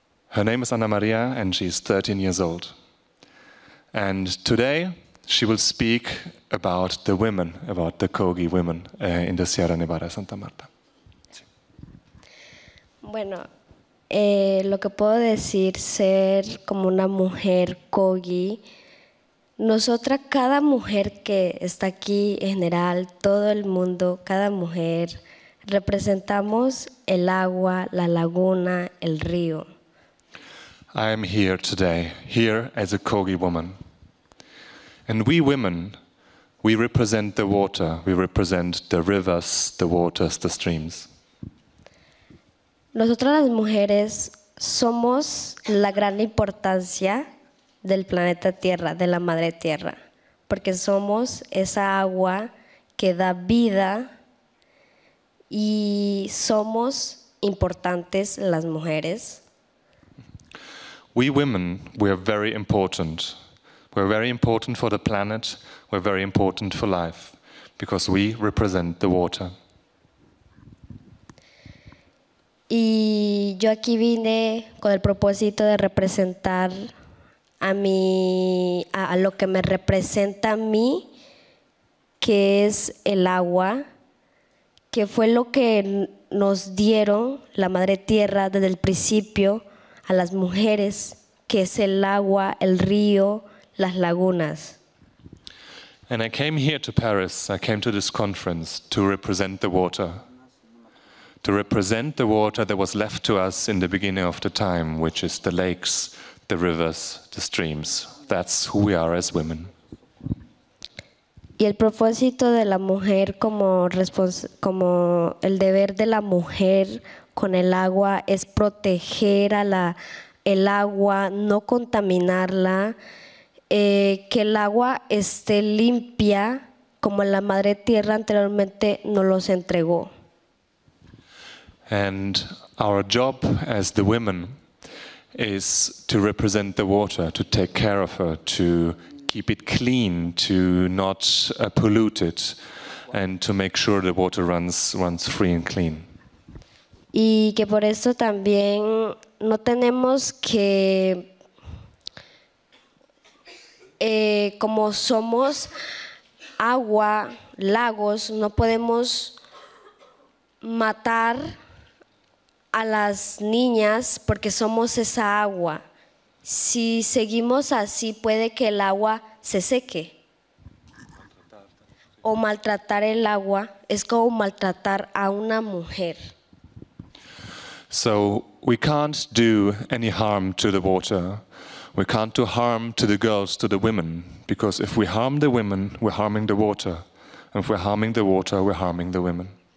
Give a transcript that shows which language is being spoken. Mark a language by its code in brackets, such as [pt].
[en] Her name is Ana Maria and she's 13 years old. And today she will speak about the women, about the Kogi women in the Sierra Nevada de Santa Marta. [es] Bueno, lo que puedo decir, ser como una mujer Kogi, nosotras, cada mujer que está aquí en general, todo el mundo, cada mujer, representamos el agua, la laguna, el río. [en] I am here today, here as a Kogi woman. And we women, we represent the water, we represent the rivers, the waters, the streams. [es] Nosotras las mujeres somos la gran importancia del planeta Tierra, de la Madre Tierra, porque somos esa agua que da vida y somos importantes las mujeres. [en] We women, we are very important. We're very important for the planet, we're very important for life, because we represent the water. [es] Y yo aquí vine con el propósito de representar a lo que me representa a mí, que es el agua, que fue lo que nos dieron la Madre Tierra desde el principio a las mujeres, que es el agua, el río, las lagunas. [en] And I came here to Paris, I came to this conference to represent the water. To represent the water that was left to us in the beginning of the time, which is the lakes, the rivers, the streams. That's who we are as women. [es] Y el propósito de la mujer como el deber de la mujer con el agua es proteger el agua, no contaminarla, que el agua esté limpia como la Madre Tierra anteriormente nos los entregó. [en] And our job as the women is to represent the water, to take care of her, to keep it clean, to not pollute it, and to make sure the water runs free and clean. [es] Y que por eso también no tenemos que como somos agua, lagos, no podemos matar a las niñas porque somos esa agua. Si seguimos así, puede que el agua se seque. O maltratar el agua es como maltratar a una mujer. [en] So we can't do any harm to the water. We can't do harm to the girls, to the women, because if we harm the women, we're harming the water. And if we're harming the water, we're harming the women.